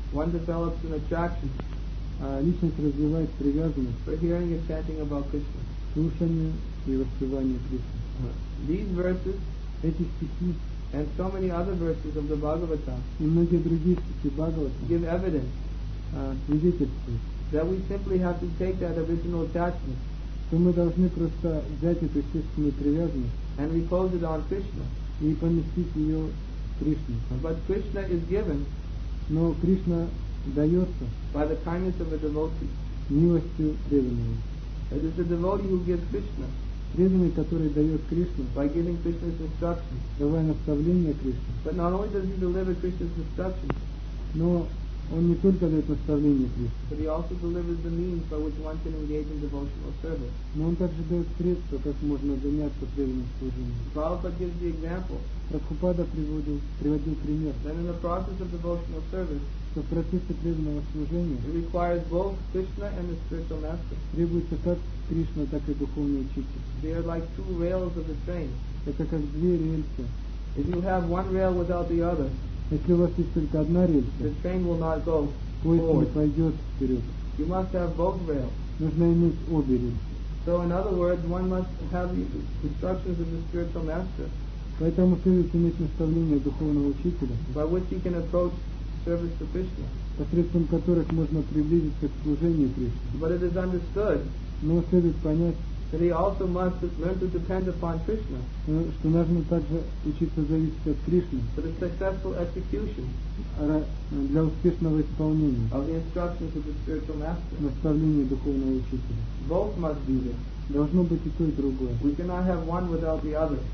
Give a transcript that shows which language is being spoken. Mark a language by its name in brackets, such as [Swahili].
[English] One develops an attraction. [Russian] Личность развивает привязанность. [English] For hearing and chanting about Krishna. [Russian] Слушание и воспевание Кришны. [English] These verses. [Russian] Эти стихи. [English] And so many other verses of the Bhagavatam. [Russian] И многие другие стихи Бхагаватам. [English] Give evidence. [Russian] Свидетельство. [English] That we simply have to take that original attachment. [Russian] Что мы должны просто взять эту естественную привязанность. [English] And repose it on Krishna. [Russian] И поместить ее Кришне. [English] But Krishna is given. [Russian] Но Кришна дается. [English] By the kindness of a devotee. [Russian] Милостью преданного. [English] It is the devotee who gives Krishna. [Russian] Преданный, который дает Кришну. [English] By giving Krishna's instructions. [Russian] Давая наставление Кришне. [English] But not only does he deliver Krishna's instructions. [Russian] Но он не только дает наставление Кришне. [English] But he also delivers the means by which one can engage in devotional service. [Russian] Но он также дает средства, как можно заняться преданным служением. [English] Prabhupada gives the example. [Russian] Прабхупада приводил пример. [English] That in the process of devotional service. [Russian] Что в процессе преданного служения. [English] It requires both Krishna and the spiritual master. [Russian] Требуется как Кришна, так и духовный учитель. [English] They are like two rails of the train. [Russian] Это как две рельсы. [English] If you have one rail without the other. [Russian] Если у вас есть только одна рельса, [English] the train will not go [Russian] поезд [English] forward. [Russian] Не пойдет вперед. [English] You must have both rails. [Russian] Нужно иметь обе рельсы. [English] So in other words, one must have the instructions of the spiritual master. [Russian] Поэтому следует иметь наставление духовного учителя. [English] By which you can approach service to Krishna. [Russian] Посредством которых можно приблизиться к служению Кришне. [English] But it is understood. [Russian] Но следует понять, [English] that he also must learn to depend upon Krishna. [Russian] Что нужно также учиться зависеть от Кришны. [English] For the successful execution. [Russian] Для успешного исполнения. [English] Of the instructions of the spiritual master. [Russian] Наставление духовного учителя. [English] Both must be there. [Russian] Должно быть и то, и другое. [English] We cannot have one without the other.